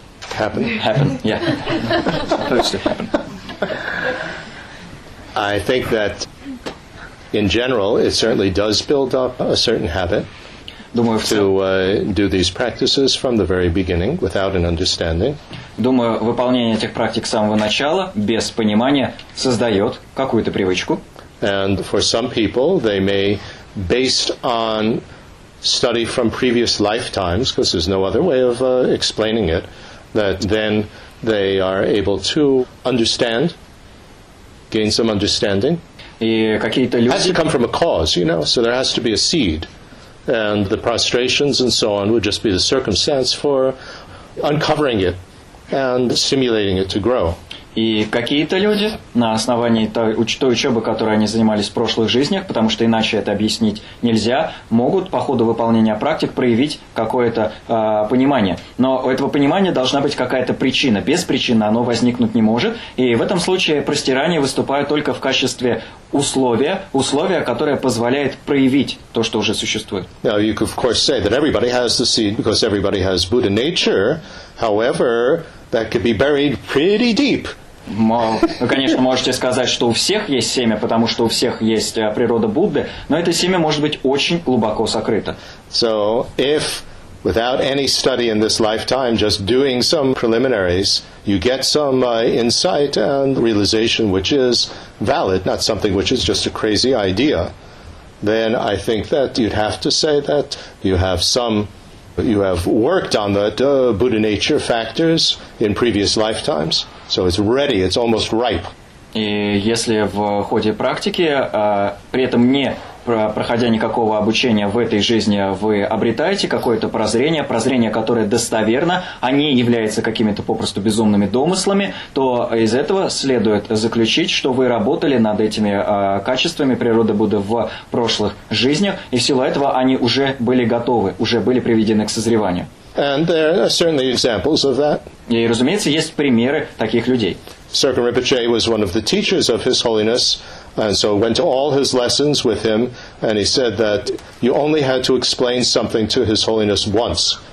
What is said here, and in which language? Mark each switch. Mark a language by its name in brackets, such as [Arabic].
[English] Happen, yeah. Supposed to happen. I think that, in general, it certainly does build up a certain habit to do these practices from the very beginning without an understanding. [Russian] Думаю, выполнение этих практик с самого начала, без понимания, создает какую-то привычку. [English] And for some people, they may, based on study from previous lifetimes, because there's no other way of explaining it, that then they are able to understand, gain some understanding. [Russian] И какие-то люди... [English] It has to come from a cause, you know, so there has to be a seed. And the prostrations and so on would just be the circumstance for uncovering it and stimulating it to grow. [Russian] И какие-то люди на основании той учебы, которой они занимались в прошлых жизнях, потому что иначе это объяснить нельзя, могут по ходу выполнения практик проявить какое-то понимание. Но у этого понимания должна быть какая-то причина. Без причины оно возникнуть не может. И в этом случае простирание выступает только в качестве условия, которое позволяет проявить то, что уже существует. [English] Now you could of course say that everybody has the seed because everybody has Buddha nature. However, that could be buried pretty deep. [Russian] Вы, конечно, можете сказать, что у всех есть семя, потому что у всех есть природа Будды, но это семя может быть очень глубоко сокрыто. [English] So, if without any study in this lifetime, just doing some preliminaries, you get some insight and realization which is valid, not something which is just a crazy idea, then I think that you'd have to say that you have worked on the Buddha nature factors in previous lifetimes. So it's ready, it's almost ripe. [Russian] И если в ходе практики, при этом не проходя никакого обучения в этой жизни, вы обретаете какое-то прозрение, которое достоверно, а не является какими-то попросту безумными домыслами, то из этого следует заключить, что вы работали над этими качествами природы Будды в прошлых жизнях, и в силу этого они уже были готовы, уже были приведены к созреванию. [English] And there are certainly examples of that. [Russian] И, разумеется, есть примеры таких людей. [English] Sirkin Rinpoche was one of the teachers of His Holiness, and so went to all his lessons with him, and he said that you only had to explain something to His Holiness once.